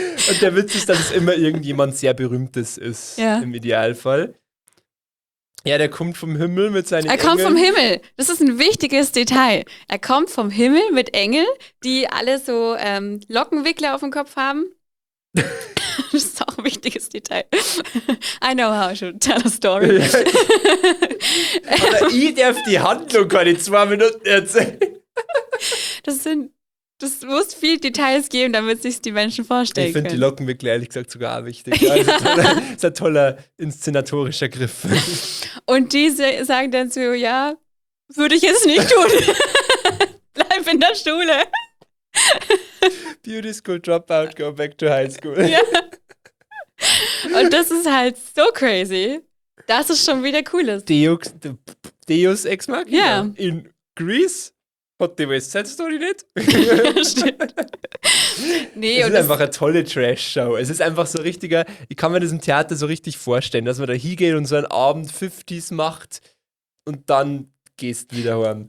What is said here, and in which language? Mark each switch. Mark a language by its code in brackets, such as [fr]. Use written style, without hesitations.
[de] Und der Witz ist, dass es immer irgendjemand sehr Berühmtes ist, ja. Im Idealfall. Ja, der kommt vom Himmel mit seinen Engeln. Er kommt vom Himmel. Das ist ein wichtiges Detail. Er kommt vom Himmel mit Engeln, die alle so Lockenwickler auf dem Kopf haben. Das ist auch ein wichtiges Detail. [en] I know how I should tell a story. [de] Aber ich darf die Handlung quasi 2 Minuten erzählen. Das muss viel Details geben, damit sich die Menschen vorstellen können. Ich finde die Locken wirklich ehrlich gesagt sogar wichtig. Ja. Das ist ein toller inszenatorischer Griff. Und die sagen dann so, ja, würde ich jetzt nicht tun. Bleib in der Schule. [en] Beauty School Dropout, go back to high school. [de] Ja. Und das ist halt so crazy, dass es schon wieder cool ist. Deus Ex Machina. Ja. [en] In Greece. [de] Hat die West Side Story nicht? Nee, es ist einfach eine tolle Trash-Show. Es ist einfach so richtiger, ich kann mir das im Theater so richtig vorstellen, dass man da hingeht und so einen Abend 50s macht und dann gehst wieder heim.